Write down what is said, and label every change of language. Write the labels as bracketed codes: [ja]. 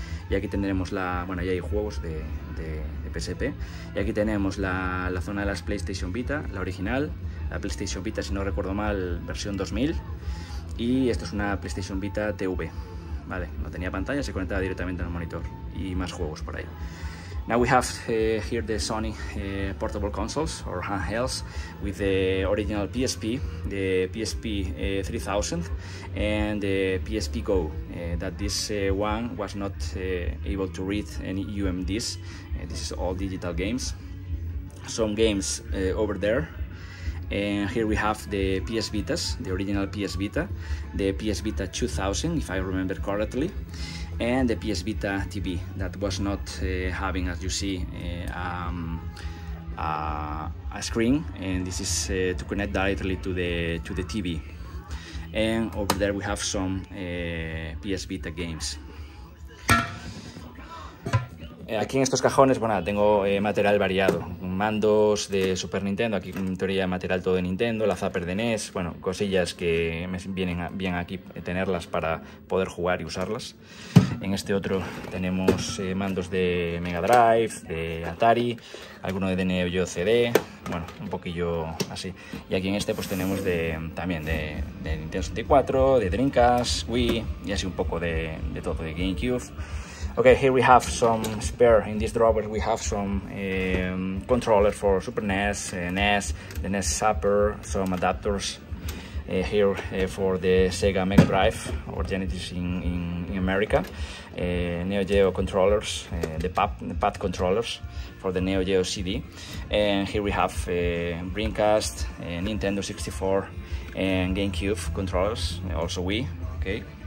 [es] Y aquí tendremos ya hay juegos de PSP. Y aquí tenemos la zona de las PlayStation Vita, la original, la PlayStation Vita, si no recuerdo mal, versión 2000. Y esto es una PlayStation Vita TV. Vale, no tenía pantalla, se conectaba directamente al monitor y más juegos por ahí. [en] Now we have here the Sony portable consoles or handhelds with the original PSP, the PSP 3000 and the PSP Go. That this one was not able to read any UMDs. This is all digital games. Some games over there. And here we have the PS Vitas, the original PS Vita, the PS Vita 2000, if I remember correctly, and the PS Vita TV that was not having, as you see, a screen, and this is to connect directly to the TV. And over there we have some PS Vita games. [es] Aquí en estos cajones, bueno, tengo material variado. Mandos de Super Nintendo, aquí en teoría material todo de Nintendo, la Zapper de NES, bueno, cosillas que me vienen bien aquí tenerlas para poder jugar y usarlas. En este otro tenemos mandos de Mega Drive, de Atari, alguno de Neo Geo CD, bueno, un poquillo así. Y aquí en este pues tenemos también de Nintendo 64, de Dreamcast, Wii y así un poco de todo, de GameCube. [en] Okay, here we have some spare. In this drawer we have some controller for Super NES, NES, the NES Zapper, some adapters here for the Sega Mega Drive or Genesis in America, Neo Geo controllers, the pad controllers for the Neo Geo CD, and here we have Dreamcast, Nintendo 64 and GameCube controllers, also Wii, okay.